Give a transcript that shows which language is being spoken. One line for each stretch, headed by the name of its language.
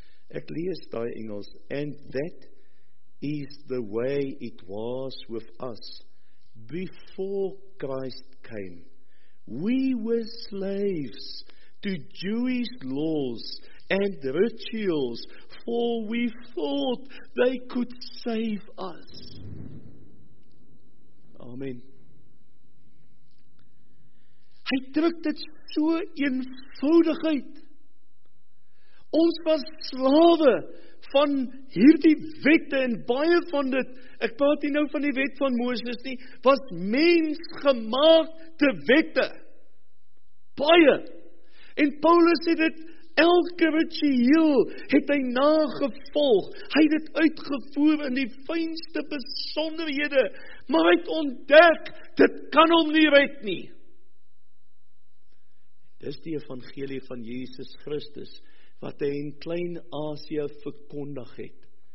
Afrikaans: Ek lees die Engels,
English: and that is the way it was with us before Christ came. We were slaves to Jewish laws and rituals, for we thought they could save us. Amen.
Afrikaans: Hy druk dit so eenvoudigheid. Ons was slawe van hierdie wette en baie van dit, ek praat hier nou van die wet van Moses nie, was mensgemaakte wette. Baie. En Paulus het dit, elke ritueel het hy nagevolg. Hy het dit uitgevoer in die fynste besonderhede, maar hy het ontdek, dit kan hom nie red nie. Dis die evangelie van Jesus Christus, wat hy in Klein Asië verkondig het.